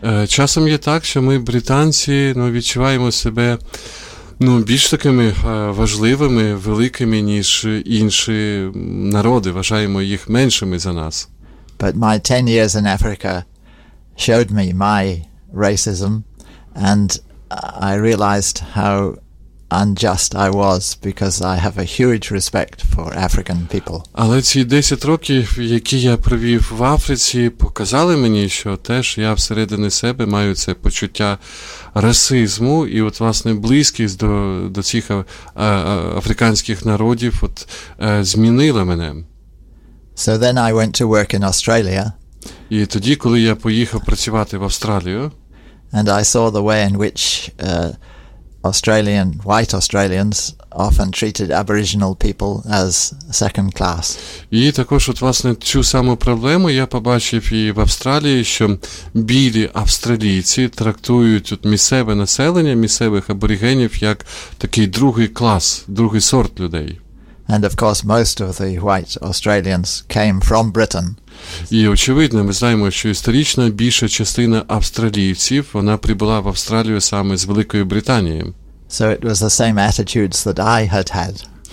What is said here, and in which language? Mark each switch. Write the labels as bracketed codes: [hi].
[uk] Часом є так, що ми британці, відчуваємо себе, більш такими важливими, великими, ніж інші народи, вважаємо їх меншими за нас. [en] But my 10 years in Africa showed me my racism, and I realized how unjust I was because I have a huge respect for African people. [uk] Але ці 10 років, які я провів в Африці, показали мені, що теж я всередині себе маю це почуття расизму, і от власне близькість до цих африканських народів от змінила мене. [en] So then I went to work in Australia. [uk] І тоді, коли я поїхав працювати в Австралію, [en] and I saw the way in which Australian white Australians often treated Aboriginal people as second class. [uk] І також от власне цю саму проблему я побачив і в Австралії, що білі австралійці трактують от місцеве населення, місцевих аборигенів як такий другий клас, другий сорт людей. [en] And of course most of the white Australians came from Britain. [uk] І очевидно, ми знаємо, що історично більша частина австралійців, вона прибула в Австралію саме з Великої Британії. [en] So it was the same attitudes that I had had.